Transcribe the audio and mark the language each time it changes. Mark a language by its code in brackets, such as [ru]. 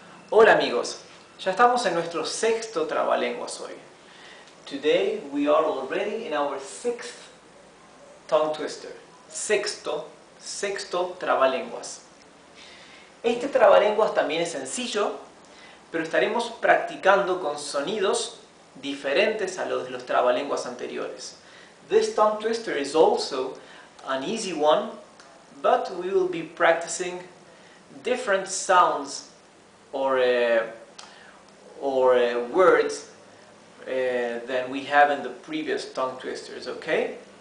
[es] Hola amigos, ya estamos en nuestro sexto trabalenguas hoy. [en] Today we are already in our sixth tongue twister. Sexto trabalenguas. [es] Este trabalenguas también es sencillo, pero estaremos practicando con sonidos diferentes a los de los trabalenguas anteriores. [en] This tongue twister is also an easy one, but we will be practicing different sounds or words than we have in the previous tongue twisters, okay?